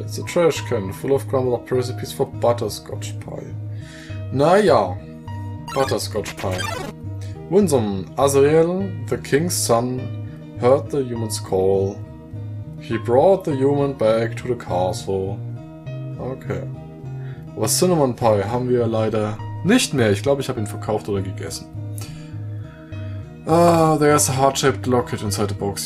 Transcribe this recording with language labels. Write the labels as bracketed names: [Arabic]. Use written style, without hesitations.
[English] It's a trash can full of crumbled up recipes for Butterscotch Pie. Naja. Butterscotch Pie. Winsome, Azrael, the king's son, heard the human's call. He brought the human back to the castle. Okay. [German] Aber Cinnamon Pie haben wir leider nicht mehr. Ich glaube, ich habe ihn verkauft oder gegessen. [English] There's a heart-shaped locket inside the box.